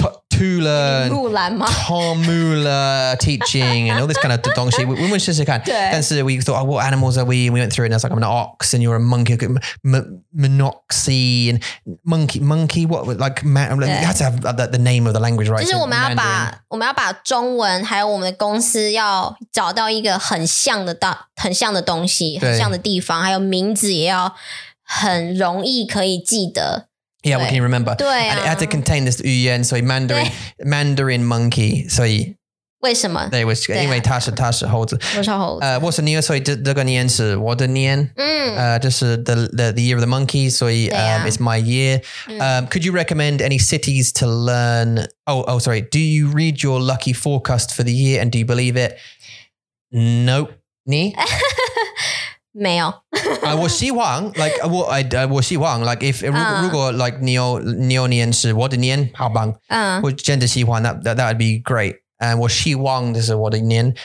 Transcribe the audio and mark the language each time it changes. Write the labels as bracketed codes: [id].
[en] Tula, Tom Mueller teaching and all this kind of 东西 we went to see then so we thought, oh, what animals are we? And we went through it and I was like, I'm an ox and you're a monkey. Monoxy and monkey, what? Like, you have to have the name of the language, right? [zh] 就是我们要把中文还有我们的公司要找到一个很像的东西很像的地方还有名字也要很容易可以记得 [en] Yeah, we can remember. [zh] 对啊。 [en] And it had to contain this 语言, so Mandarin monkey, so... [zh] 为什么? 对, 因为它是猴子。我是猴子。我是年,所以这个年是我的年。嗯。 [en] 就是 the year of the monkey, 所以 it's my year. Could you recommend any cities to learn... Oh, sorry. Do you read your lucky forecast for the year and do you believe it? Nope. [zh] 你? 没有我希望 like 我希望 like if 如果 like 你有年是我的年好棒我真的喜欢 [en] that would be great and [zh] 我希望这是我的年